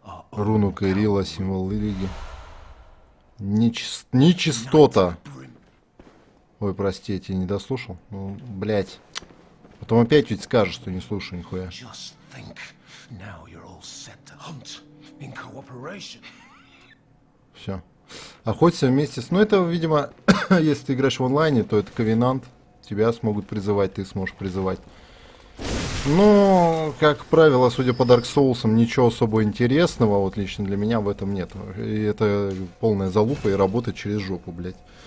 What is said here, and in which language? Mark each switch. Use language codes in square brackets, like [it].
[ru] Руну Кирилла, символ лиги. Нечистота. Ой, прости, я тебя не дослушал. Ну, блять. Потом опять ведь скажешь, что не слушаю нихуя. [en] Just think, now you're all set to hunt in cooperation. [ru] Все. Охотимся вместе с... Ну, это, видимо, если ты играешь в онлайне, то это ковенант. Тебя смогут призывать, ты сможешь призывать. Но, как правило, судя по Dark Souls, ничего особо интересного, вот лично для меня, в этом нет. И это полная залупа и работа через жопу, блядь.